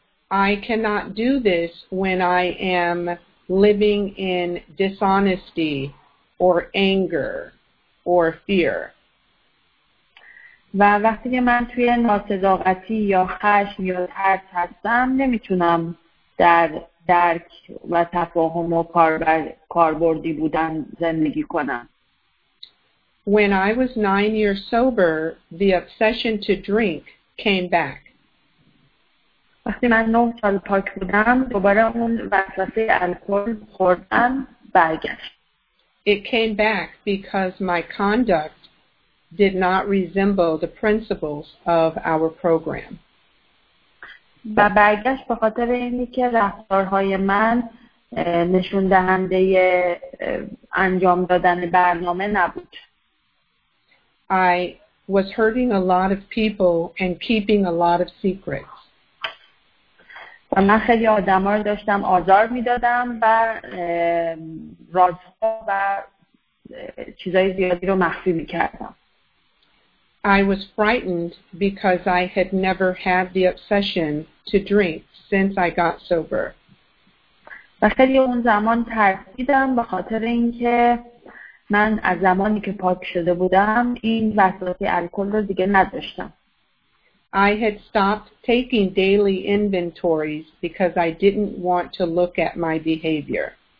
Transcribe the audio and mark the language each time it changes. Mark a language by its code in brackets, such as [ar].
[en] I cannot do this when I am living in dishonesty or anger or fear. [fa] و وقتی که من توی ناصداقتی یا خشم یا ترس هستم نمیتونم در درک و تفاهم و کاربردی بودن زندگی کنم. [en] When I was 9 years sober, the obsession to drink came back. [fa] وقتی من 9 سال پاک بودم دوباره اون وسوسه الکل خوردن برگشت. [en] It came back because my conduct did not resemble the principles of our program. [fa] و برگشت به خاطر اینی که رفتارهای من نشون دهنده انجام دادن برنامه نبود. [en] I was hurting a lot of people and keeping a lot of secrets. [fa] و من خیلی آدم‌ها رو داشتم آزار می‌دادم و رازها و چیزای زیادی رو مخفی می‌کردم. [en] I was frightened because I had never had the obsession to drink since I got sober. [fa] و خیلی اون زمان ترسیدم به خاطر اینکه من از زمانی که پاک شده بودم این وسواسی الکل رو دیگه نداشتم. [en] I had stopped taking daily inventories because I didn't want to look at my behavior.